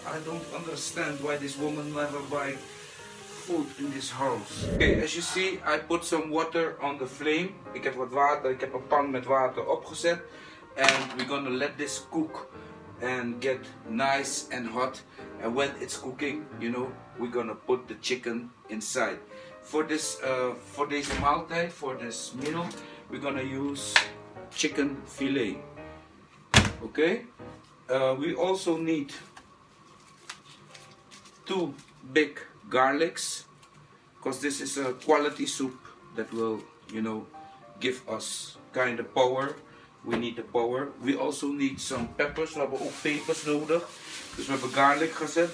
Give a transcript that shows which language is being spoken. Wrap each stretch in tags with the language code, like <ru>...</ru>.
<en>I don't understand why this woman never buys food in this house. Okay, as you see, I put some water on the flame.</en> <nl>Ik heb wat water, ik heb een pan met water opgezet.</nl> <en>And we're gonna let this cook and get nice and hot. And when it's cooking, you know, we're gonna put the chicken inside. For this meal, we're gonna use chicken filet. Okay? We also need 2 big garlics, because this is a quality soup that will, you know, give us kind of power. We need the power. We also need some peppers.</en> <nl>We hebben ook pepers nodig. Dus we hebben garlic gezet.</nl>